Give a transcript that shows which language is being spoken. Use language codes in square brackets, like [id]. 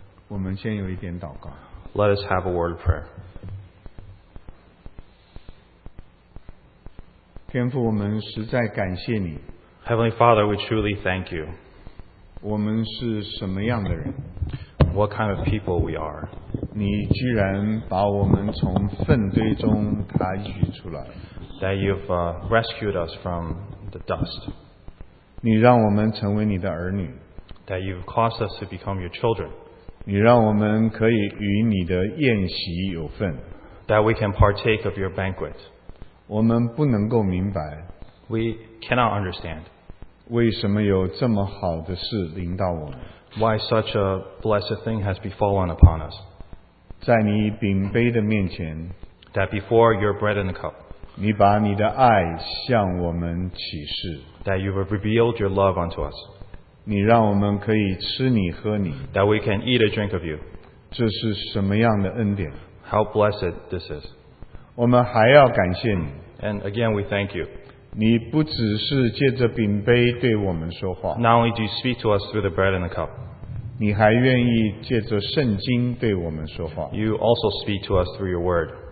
[zh] 我们先有一点祷告。 [en] Let us have a word of prayer. [zh] 天父，我们实在感谢你。 [en] Heavenly Father, we truly thank you. [zh] 我们是什么样的人？ [en] What kind of people we are? [zh] 你居然把我们从粪堆中抬举出来。 [en] That you've rescued us from the dust. [zh] 你让我们成为你的儿女。 [en] That you've caused us to become your children. [zh] 你让我们可以与你的宴席有份。 [en] That we can partake of your banquet. [zh] 我们不能够明白。 [en] We cannot understand. [zh] 为什么有这么好的事临到我们？ [en] Why such a blessed thing has befallen upon us? [zh] 在你饼杯的面前, [en] that before your bread and the cup, [zh] 你把你的爱向我们启示, [en] that you have revealed your love unto us, [zh] 你让我们可以吃你喝你, [en] that we can eat a drink of you. [zh] 这是什么样的恩典? [en] How blessed this is. [zh] 我们还要感谢你。 [en] And again, we thank you. [zh] 你不只是借着饼杯对我们说话, [en] not only do you speak to us through the bread and the cup, [zh] 你还愿意借着圣经对我们说话, [en] you also speak to us through your word.